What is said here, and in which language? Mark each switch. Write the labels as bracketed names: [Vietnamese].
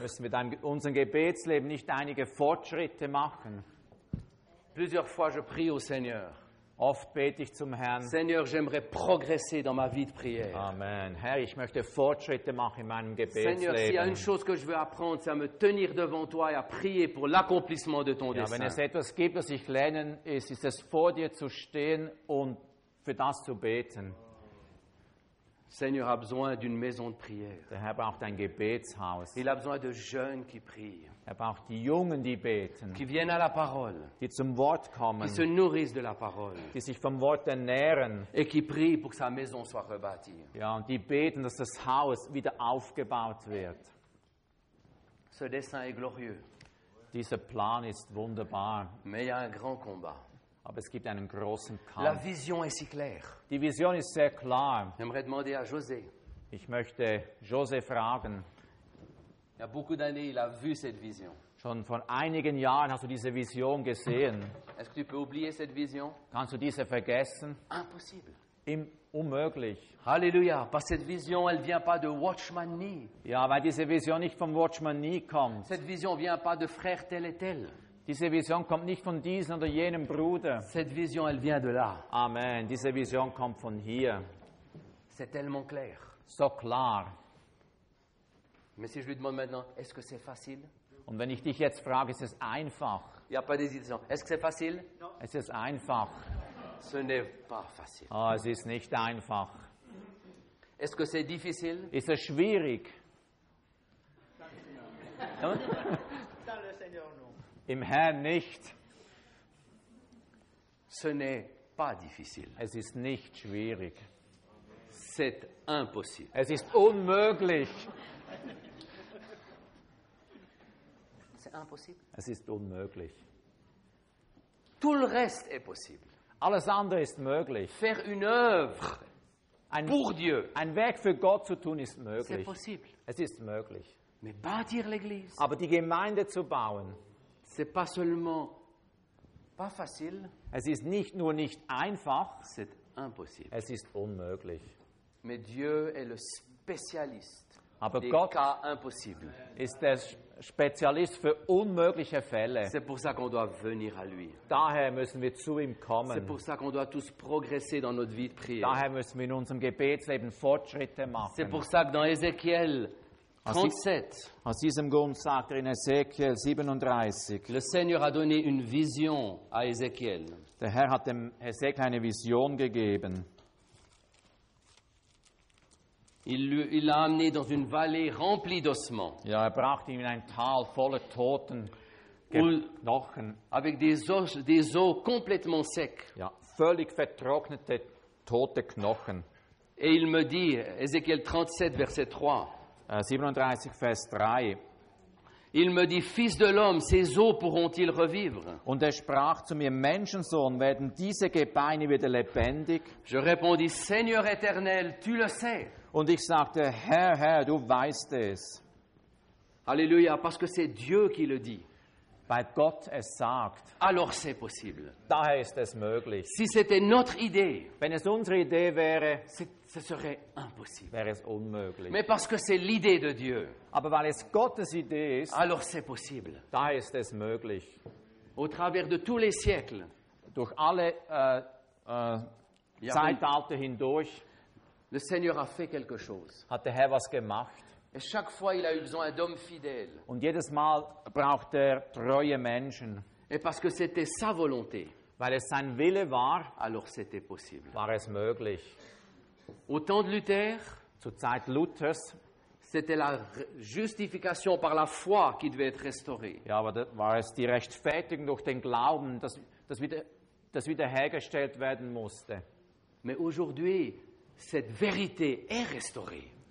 [German] Müssen wir dann unserem Gebetsleben nicht einige Fortschritte machen? [French] Plusieurs fois je prie au Seigneur. [German] Oft bete ich zum Herrn. [French] Seigneur, j'aimerais progresser dans ma vie de prière. Amen. [German] Herr, ich möchte Fortschritte machen in meinem Gebetsleben. [French] Seigneur, s'il y a une chose que je veux apprendre, c'est à me tenir devant toi et à prier pour l'accomplissement de ton dessein. [German] Ja, wenn es etwas gibt, was ich lernen ist es vor dir zu stehen und für das zu beten. [French] Seigneur a besoin d'une maison de prière. [German] Der Herr braucht ein Gebetshaus. [French] Il a besoin de jeunes qui prient. [German] Er braucht die Jungen, die beten. [French] Qui viennent à la parole. [German] Die zum Wort kommen. [French] Qui se nourrissent de la parole. [German] Die sich vom Wort ernähren. [French] Et qui prient pour que sa maison soit rebâtie. [German] Ja, und die beten, dass das Haus wieder aufgebaut wird. [French] Ce dessein est glorieux. [German] Dieser Plan ist wunderbar. [French] Mais il y a un grand combat. [German] Aber es gibt einen großen Kampf. [French] La vision est si claire. [German] Die Vision ist sehr klar. [French] J'aimerais demander à José. [German] Ich möchte José fragen. [French] Il y a beaucoup d'années, il a vu cette vision. [German] Schon vor einigen Jahren hast du diese Vision gesehen. [French] Est-ce que tu peux oublier cette vision? [German] Kannst du diese vergessen? [French] Impossible. [German] Unmöglich. [French] Halleluja, parce cette vision, elle vient pas de Watchman Nee. [German] Ja, weil diese Vision nicht vom Watchman Nee kommt. [French] Cette vision vient pas de frère tel et tel. [German] Diese Vision kommt nicht von diesem oder jenem Bruder. [French] Cette vision, elle vient de là. Amen. [German] Diese Vision kommt von hier. [French] C'est tellement clair. [German] So klar. [French] Mais si je lui demande maintenant, est-ce que c'est facile? [German] Und wenn ich dich jetzt frage, ist es einfach? [French] Il y a pas d'hésitation. Est-ce que c'est facile? [German] Non. Es ist einfach. [French] Ce n'est pas facile. [German] Oh, es ist nicht einfach. [French] Est-ce que c'est difficile? [German] Ist es schwierig? Danke, im Herrn nicht. [French] Ce n'est pas difficile. [German] Es ist nicht schwierig. [French] C'est impossible. [German] Es ist unmöglich. [French] C'est impossible. [German] Es ist unmöglich. [French] Tout le reste est possible. [German] Alles andere ist möglich. [French] Faire une œuvre pour Dieu. [German] Ein Werk für Gott zu tun ist möglich. [French] C'est possible. [German] Es ist möglich. [French] Mais bâtir l'église. [German] Aber die Gemeinde zu bauen. [French] C'est pas seulement pas facile. [German] Es ist nicht nur nicht einfach. [French] C'est impossible. [German] Es ist unmöglich. [French] Mais Dieu est le Spezialist [German] Aber [French] des Gott cas impossibles. [German] Ist der Spezialist für unmögliche Fälle. [French] C'est pour ça qu'on doit venir à lui. [German] Daher müssen wir zu ihm kommen. [French] C'est pour ça qu'on doit tous progresser dans notre vie de prière. [German] Daher müssen wir in unserem Gebetsleben Fortschritte machen. [French] C'est pour ça que dans Ézéchiel 37. [German] Aus diesem Grund sagt er in Ezekiel 37. [French] Le Seigneur a donné une vision à Ezekiel. [German] Der Herr hat dem Ezekiel eine Vision gegeben. [French] Il l'a amené dans une vallée remplie d'ossements. [German] Ja, er brachte ihn in ein Tal voller toten Knochen. [French] Avec des os complètement secs. [German] Ja, völlig vertrocknete tote Knochen. [French] Et il me dit, Ezekiel 37, verset 3. [German] 37, Vers 3. [French] Il me dit, Fils de l'homme, ces os pourront-ils revivre? [German] Und er sprach zu mir, Menschensohn, werden diese Gebeine wieder lebendig? [French] Je répondis, Seigneur éternel, tu le sais. [German] Und ich sagte, Herr, Herr, du weißt es. [French] Halleluja, parce que c'est Dieu qui le dit. [German] Weil Gott es sagt. [French] Alors c'est possible. [German] Daher ist es möglich. [French] Si c'était notre idée, [German] wenn es unsere Idee wäre, [French] ce serait impossible. [German] Wäre es unmöglich. [French] Mais parce que c'est l'idée de Dieu. [German] Aber weil es Gottes Idee ist, [French] alors c'est possible. [German] Daher ist es möglich. [French] Au travers de tous les siècles, [German] durch alle Zeitalter hindurch, [French] le Seigneur a fait quelque chose. [German] Hat der Herr was gemacht? [French] Et chaque fois, il a eu besoin d'hommes fidèles. [German] Und jedes Mal braucht er treue Menschen. [French] Et parce que c'était sa volonté. [German] Weil es sein Wille war. [French] Alors c'était possible. [German] War es möglich. [French] Au temps de Luther, [German] zur Zeit Luthers, [French] c'était la justification par la foi qui devait être restaurée. [German] Ja, aber das war es die Rechtfertigung durch den Glauben, dass wieder hergestellt werden musste. [French] Mais aujourd'hui, cette vérité est restaurée.